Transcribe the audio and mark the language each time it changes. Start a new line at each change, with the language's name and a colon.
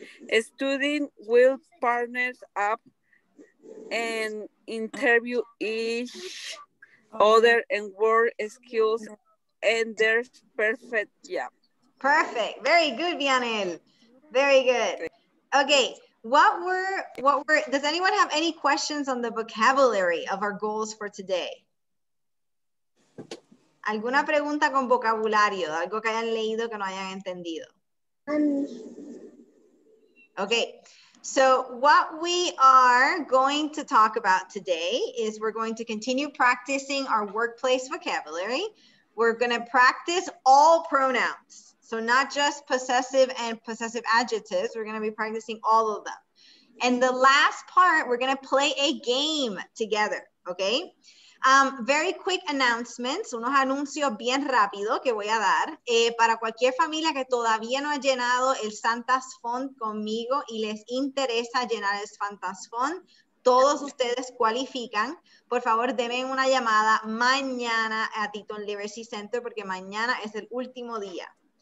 English: A student will partner up and interview each other and work skills and their perfect job. Perfect. Very good, Vianel. Very good. Okay. Does anyone have any questions on the vocabulary of our goals for today?
Spanish: ¿Alguna pregunta con vocabulario? Algo que hayan leído que no hayan entendido.
English: Okay, so what we are going to talk about today is we're going to continue practicing our workplace vocabulary. We're going to practice all pronouns. So not just possessive and possessive adjectives, we're going to be practicing all of them. And the last part, we're going to play a game together, okay? Very quick announcements,
Spanish: unos anuncios bien rápido que voy a dar. Para cualquier familia que todavía no ha llenado el Santa's Fund conmigo y les interesa llenar el Santa's Fund, todos ustedes cualifican. Por favor, denme una llamada mañana a Teton Literacy Center porque mañana es el último día.